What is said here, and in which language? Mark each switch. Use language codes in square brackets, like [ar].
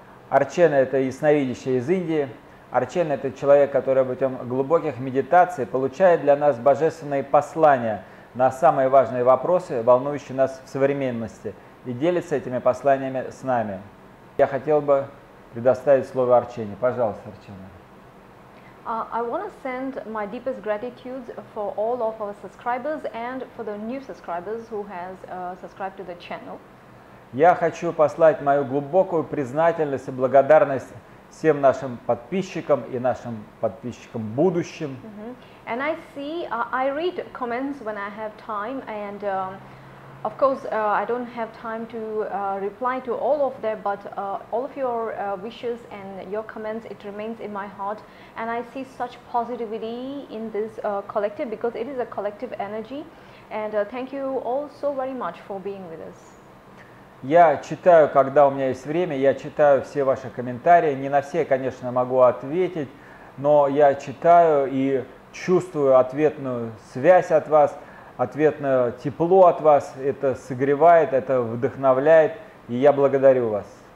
[ru] Арчена – это ясновидящая из Индии. Арчена – это человек, который путем глубоких медитаций получает для нас божественные послания на самые важные вопросы, волнующие нас в современности, и делится этими посланиями с нами. Я хотел бы предоставить слово Арчене. Пожалуйста, Арчена. [en] I want to send my deepest gratitude for all of our subscribers and for the new subscribers who has subscribed to the channel. [ru] Я хочу послать мою глубокую признательность и благодарность всем нашим подписчикам и нашим подписчикам будущим. Mm-hmm. [en] And I see, I read comments when I have time, and of course I don't have time to reply to all of them, but all of your wishes and your comments, it remains in my heart, and I see such positivity in this collective, because it is a collective energy, and thank you all so very much for being with us. [ru] Я читаю, когда у меня есть время, я читаю все ваши комментарии. Не на все, конечно, могу ответить, но я читаю и чувствую ответную связь от вас, ответное тепло от вас. Это согревает, это вдохновляет, и я благодарю вас.